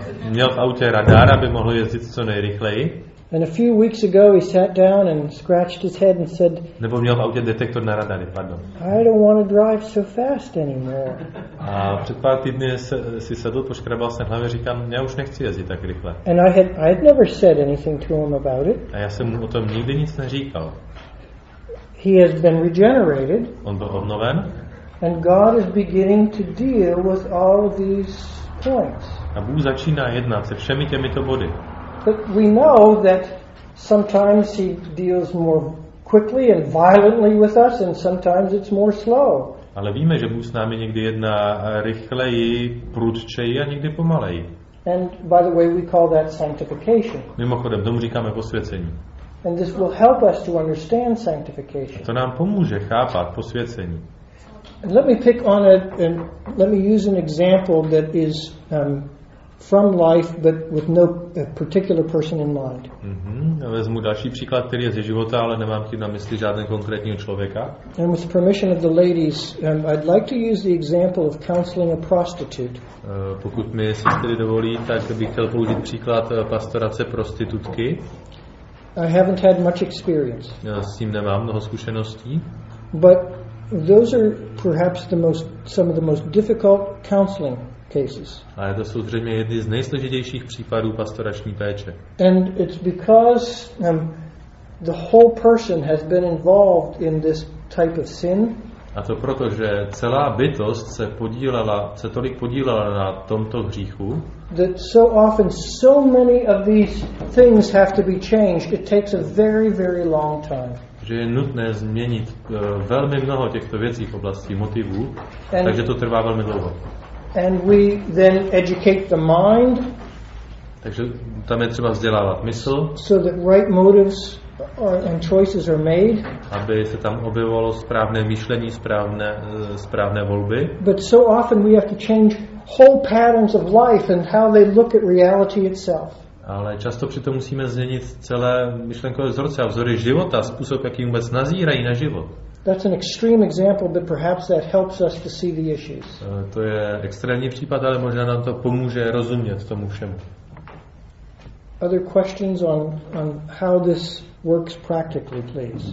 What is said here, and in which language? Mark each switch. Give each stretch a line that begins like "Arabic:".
Czech: Měl v autě radar, aby mohl jezdit co nejrychleji.
English: And a few weeks ago he sat down and scratched his head and said,
Czech: nebo měl v autě detektor na radary, pardon.
English: I don't want to drive so fast anymore.
Czech: A před pár týdny si sedl, poškrabal se v hlavě, říkám, já už nechci jezdit tak rychle.
English: And I had never said anything to him about it.
Czech: A já jsem mu o tom nikdy nic neříkal.
English: He has been regenerated.
Czech: On byl obnoven.
English: And God is beginning to deal with all of these points.
Czech: A Bůh začíná jednat se všemi těmito body.
English: But we know that sometimes he deals more quickly and violently with us, and sometimes it's more slow.
Czech: Ale víme, že Bůh s námi někdy jedná rychleji, prudčeji a někdy pomaleji.
English: And by the way, we call that sanctification.
Czech: Mimochodem, tomu říkáme posvěcení.
English: And this will help us to understand sanctification.
Czech: A to nám pomůže chápat posvěcení.
English: And let me pick on it, and let me use an example that is from life, but with no particular person in mind.
Czech: Vezmu další příklad, který je ze života, ale nemám tím na mysli žádného konkrétního člověka.
English: And with the permission of the ladies, I'd like to use the example of counseling a prostitute.
Czech: Pokud mi sestry dovolí, tak bych chtěl použít příklad pastorace prostitutky.
English: I haven't had much experience.
Czech: Já s tím nemám mnoho zkušeností.
English: But those are perhaps some of the most difficult counseling cases.
Czech: A to jsou zřejmě jedny z nejsložitějších případů pastorační péče.
English: And it's because the whole person has been involved in this type of sin.
Czech: A to proto, že celá bytost se tolik podílela na tomto hříchu.
English: That so often so many of these things have to be changed. It takes a very, very long time.
Czech: Že je nutné změnit velmi mnoho těchto věcí v oblasti motivů, takže to trvá velmi dlouho.
English: And we then educate the mind.
Czech: Takže tam je třeba vzdělávat mysl.
English: So that right motives and choices are made.
Czech: Aby se tam objevovalo správné myšlení, správné volby.
English: But so often we have to change whole patterns of life and how they look at reality itself.
Czech: Ale často přitom musíme změnit celé myšlenkové vzorce a vzory života, způsob, jakým vůbec nazírají na život.
English: That's an extreme example, but perhaps that helps us to see the issues.
Czech: To je extrémní případ, ale možná nám to pomůže rozumět tomu všemu.
English: Other questions on how this works practically, please.